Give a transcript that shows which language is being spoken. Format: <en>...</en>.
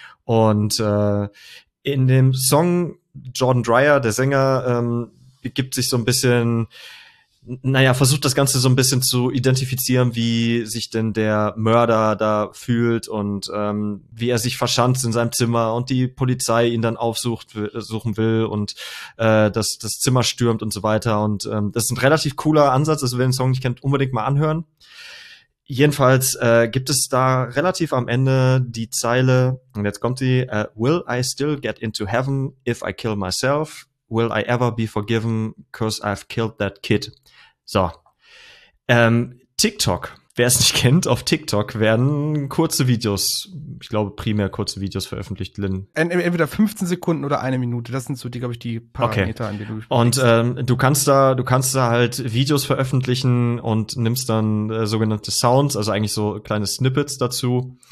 <de>Und in dem Song Jordan Dreyer, der Sänger, gibt sich so ein bisschen, versucht das Ganze so ein bisschen zu identifizieren, wie sich denn der Mörder da fühlt und wie er sich verschanzt in seinem Zimmer und die Polizei ihn dann aufsucht, suchen will und das Zimmer stürmt und so weiter. Und das ist ein relativ cooler Ansatz, also wer den Song nicht kennt, unbedingt mal anhören. Jedenfalls gibt es da relativ am Ende die Zeile, und jetzt kommt sie,</de> <en>will I still get into heaven if I kill myself? Will I ever be forgiven, cause I've killed that kid?</en> <de>So, TikTok, wer es nicht kennt, auf TikTok werden kurze Videos, ich glaube primär kurze Videos veröffentlicht, Lin. Entweder 15 Sekunden oder eine Minute, das sind so, die, glaube ich, die Parameter, okay, an denen du sprichst. Und du kannst da halt Videos veröffentlichen und nimmst dann sogenannte Sounds, also eigentlich so kleine Snippets dazu.</de>